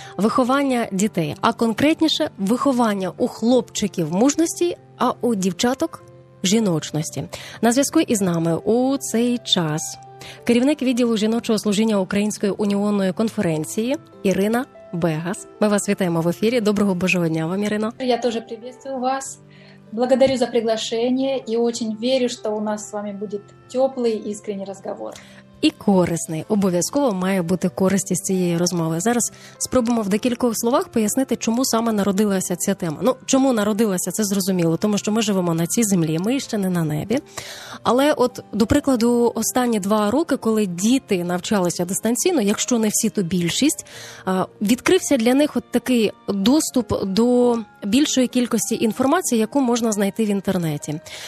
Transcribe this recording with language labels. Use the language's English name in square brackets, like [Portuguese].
[Ukrainian] Виховання дітей. А конкретніше, виховання у хлопчиків мужності, а у дівчаток жіночності. На зв'язку із нами у цей час керівник відділу жіночого служіння Української уніонної конференції Ірина Бегас. Ми вас вітаємо в ефірі. Доброго Божого дня вам, Ірино. Я теж привітаю вас. [Russian] Благодарю за приглашение и очень верю, что у нас с вами будет теплый искренний разговор. [Ukrainian] І корисний. Обов'язково має бути користь із цієї розмови. Зараз спробуємо в декількох словах пояснити, чому саме народилася ця тема. Ну, чому народилася, це зрозуміло, тому що ми живемо на цій землі, ми ще не на небі. Але от, до прикладу, останні два роки, коли діти навчалися дистанційно, якщо не всі, то більшість, відкрився для них от такий доступ до більшої кількості інформації, яку можна знайти в інтернеті.